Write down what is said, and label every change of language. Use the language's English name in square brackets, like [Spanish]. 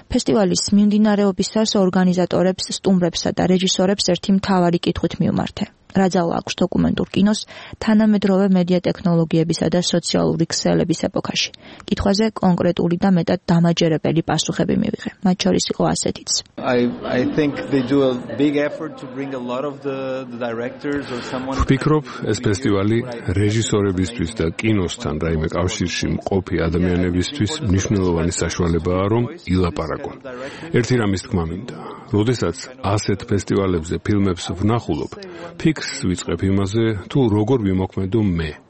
[Georgian] ფესტივალის მიმდინარეობისას ორგანიზატორებს, სტუმრებსა და რეჟისორებს ერთი მთავარი კითხვით მიუმართე: რა ძალა აქვს დოკუმენტურ კინოს თანამედროვე მედია ტექნოლოგიებისა და სოციალური ქსელების ეპოქაში? კითხვაზე კონკრეტული და მეტად დამაჯერებელი პასუხები მივიღე. მათ შორის იყო ასეთიც: [English] I think they do a big effort to bring a lot of the directors or someone. [Georgian] ფიქრობ, ეს ფესტივალი რეჟისორებისთვის და კინოსთან რაიმე კავშირში მყოფი ადამიანებისთვის მნიშვნელოვანი საშუალებაა, რომ ილაპარაკონ. ერთი რამის თქმა მინდა: როდესაც ასეთ ფესტივალებზე ფილმებს ვნახულობ, ფიქს ვიწყებ იმაზე, თუ როგორ ვიმოქმედო მე.